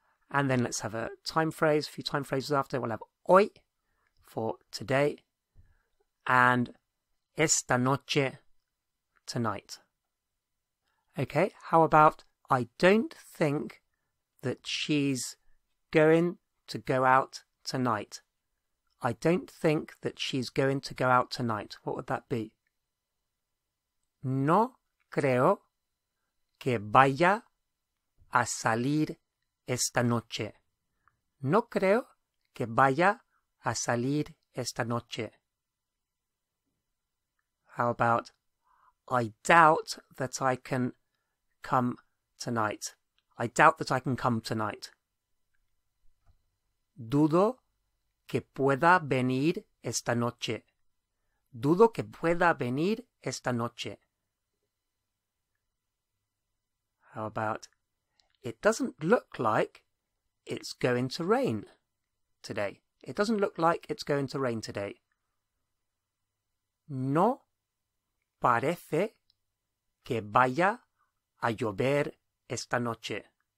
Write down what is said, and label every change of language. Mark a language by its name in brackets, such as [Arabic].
[English] And then let's have a time phrase, a few time phrases after. We'll have hoy, for today, and [Spanish] esta noche, [English] tonight. Okay, how about, I don't think that she's going to go out tonight. I don't think that she's going to go out tonight. What would that be? [Spanish] No creo que vaya a salir esta noche. No creo que vaya a salir esta noche. [English] How about, I doubt that I can come tonight. I doubt that I can come tonight. [Spanish] Dudo que pueda venir esta noche. Dudo que pueda venir esta noche. [English] How about, it doesn't look like it's going to rain today. It doesn't look like it's going to rain today. [Spanish] No parece que vaya a llover esta noche.